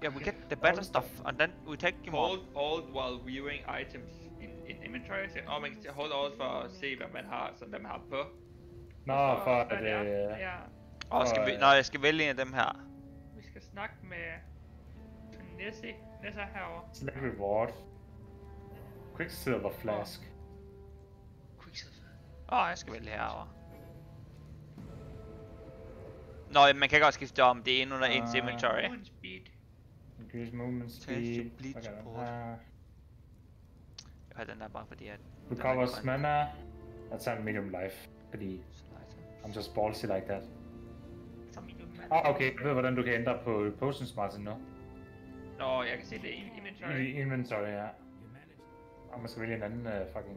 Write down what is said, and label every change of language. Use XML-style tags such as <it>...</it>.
<en>Yeah, we get the better stuff. And then we take you more. Hold while viewing items.</en> <da>En inventory, så oh, man kan holde alt for at se, hvad man har, så hvad man har på. Nå, no, for det, ja. Og skal vi, jeg skal vælge en af dem her. Vi skal snakke med Nessa herovre.</da> <en>Slag reward. Quicksilver flask.</en> <da>Quicksilver. Jeg skal vælge herovre. Nå, man kan godt skifte om, det er en under ens inventory.</da> <en>Movement speed. Increase movement speed. Test bleed support.</en> <da>Den der bare fordi at...</da> <en>Recovers mana. That's a medium life.</en> <da>Fordi...</da> <en>I'm just ballsy like that. Ah, okay.</en> <da>Jeg ved hvordan du kan ændre på potions margin nu. Nå, jeg kan se det i inventory. Inventory, ja. Og man skal vælge en anden fucking...</da>